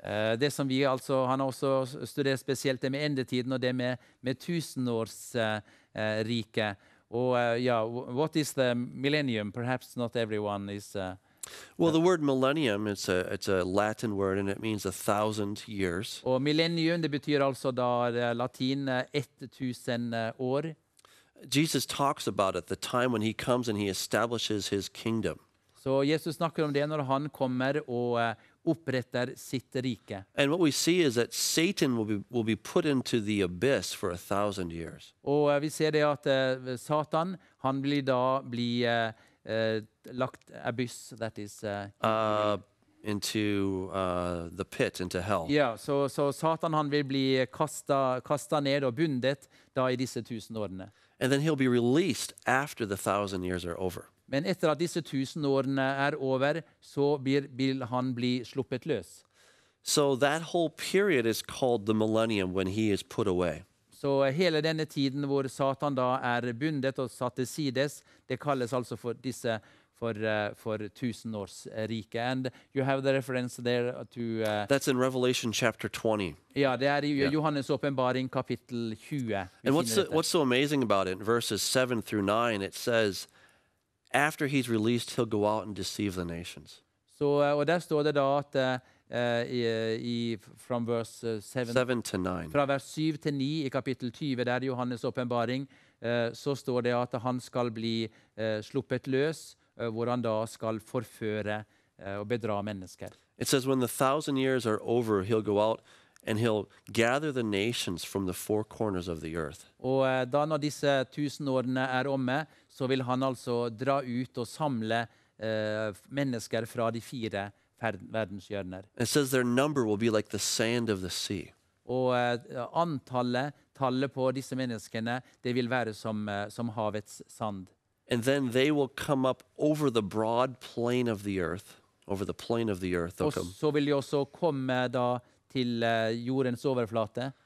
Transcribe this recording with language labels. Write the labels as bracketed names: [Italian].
[Norwegian] Det som vi altså, han har også studert spesielt det med endetiden og det med tusenårsrike. [English] Or yeah, what is the millennium? Perhaps not everyone is. The word millennium it's a Latin word and it means 1,000 years. [Norwegian] Or millennium, det betyder alltså då latin 1,000 år. [English] Jesus talks about it, the time when he comes and he establishes his kingdom. [Norwegian] Så Jesus snakker om det når han kommer og oppretter sitt rike. [English] And what we see is that Satan will be put into the abyss for 1,000 years. [Norwegian] Og vi ser det at Satan, han blir da lagt [English] abyss, that is... Into the pit, into hell. [Norwegian] Ja, så Satan han vil bli kastet ned og bundet da i disse 1,000 årene. [English] And then he'll be released after 1,000 years are over. [Norwegian] Men etter at disse 1,000 årene over, så vil han bli sluppet løs. [English] So that whole period is called the millennium when he is put away. [Norwegian] Så hele denne tiden hvor Satan da bundet og satt til sides, det kalles altså for 1,000-års rike. [English] And you have the reference there to... That's in Revelation chapter 20. [Norwegian] Ja, det i Johannes åpenbaring kapittel 20. [English] And what's so amazing about it, in verses 7 through 9, it says... After he's released, he'll go out and deceive the nations. [Norwegian] So, og der står det da at [English] from verse 7 to 9. [Norwegian] Fra vers 7 til 9 i kapittel 20, der Johannes åpenbaring, så står det at han skal bli sluppet løs, hvor han da skal forføre og bedra mennesker. [English] It says, when the 1,000 years are over, he'll go out and he'll gather the nations from the four corners of the earth. [Norwegian] Og da når disse 1,000 årene omme, så vil han altså dra ut og samle mennesker fra de fire verdenshjørner. [English] It says their number will be like the sand of the sea. [Norwegian] Og tallet på disse menneskene, det vil være som havets sand. [English] And then they will come up over the broad plain of the earth, over the plain of the earth. [Norwegian] Og så vil de også komme da til jordens overflate.